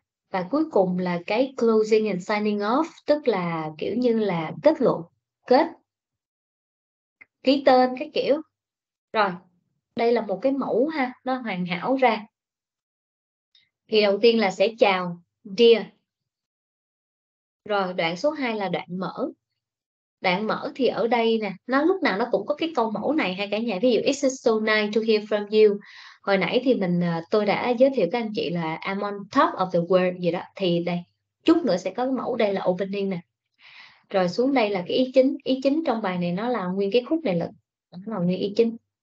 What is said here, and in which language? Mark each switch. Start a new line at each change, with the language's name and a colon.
Vietnamese: Và cuối cùng là cái
English: closing and signing off,
Vietnamese: tức là kiểu như là kết luận, kết, ký tên cái kiểu. Rồi. Đây là một cái mẫu ha, nó hoàn hảo ra. Thì đầu tiên là sẽ chào dear. Rồi đoạn số 2 là đoạn mở. Đoạn mở thì ở đây nè, nó lúc nào nó cũng có cái câu mẫu này hay cả nhà. Ví dụ
English: it's so nice to hear from you.
Vietnamese: Hồi nãy thì tôi đã giới thiệu các anh chị là
English: I'm on top of the world
Vietnamese: gì đó. Thì đây, chút nữa sẽ có cái mẫu, đây là opening nè. Rồi xuống đây là cái ý chính. Ý chính trong bài này nó là nguyên cái khúc này là, nó là nguyên ý chính.